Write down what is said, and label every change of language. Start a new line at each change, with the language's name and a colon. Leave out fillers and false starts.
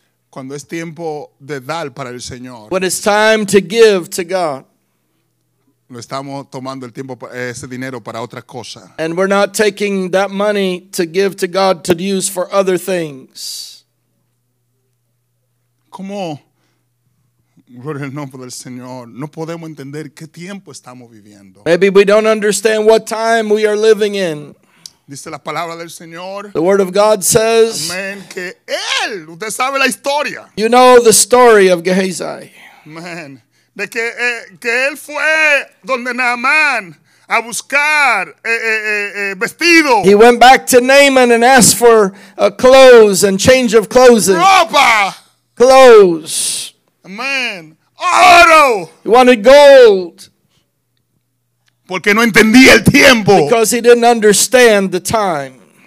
Spanish: Cuando es tiempo de dar para el Señor.
English: When it's time to give to God.
Spanish: Lo estamos tomando el tiempo, ese dinero para otra cosa.
English: And we're not taking that money to give to God to use for other things.
Spanish: ¿Cómo? Por el nombre del Señor, no podemos entender qué tiempo estamos viviendo.
English: Maybe we don't understand what time we are living in.
Spanish: Dice la palabra del Señor.
English: The word of God says.
Spanish: Amen, que él, usted sabe la historia.
English: You know the story of Gehazi. Amen.
Spanish: De que él fue donde Naamán a buscar vestido.
English: He went back to Naaman and asked for a clothes and change of clothes.
Spanish: Ropa.
English: Clothes.
Spanish: Amen. Oro.
English: He wanted gold.
Spanish: Porque no entendía el tiempo.
English: Because he didn't understand the time.